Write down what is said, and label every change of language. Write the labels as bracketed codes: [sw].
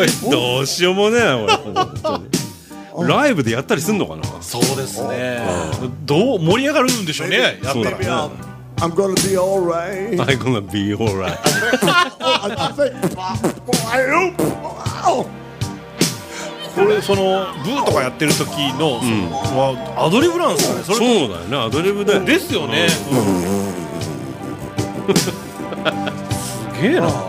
[ja] どうしようもねえ。ライブでやったりすんのかな。そうですね、どう盛り上がるんでしょうね、やったら。 [en] I'm gonna be alright, I'm gonna be alright. [ja] これそのブーとかやってる時 の、 その、うん、アドリブなんですかね。そ、 れそうだよね、アドリブだよ、ですよね、うん、すげえな。